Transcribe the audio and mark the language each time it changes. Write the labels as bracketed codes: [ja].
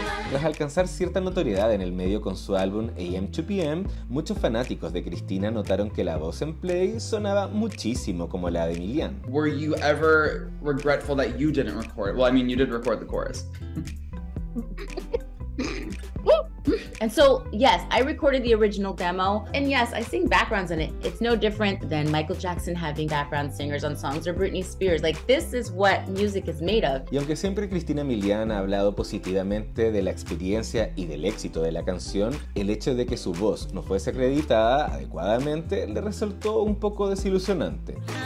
[es] Tras alcanzar cierta notoriedad en el medio con su álbum AM to PM, muchos fanáticos de Cristina notaron que la voz en Play sonaba muchísimo como la de Milian. [en] Were you ever regretful that you didn't record? Well, I mean, you did record the chorus. And so, yes, I recorded the original demo, and yes, I sing backgrounds in it. It's no different than Michael Jackson having background singers on songs or Britney Spears. Like, this is what music is made of. [es] Y aunque siempre Cristina Milian ha hablado positivamente de la experiencia y del éxito de la canción, el hecho de que su voz no fuese acreditada adecuadamente le resultó un poco desilusionante.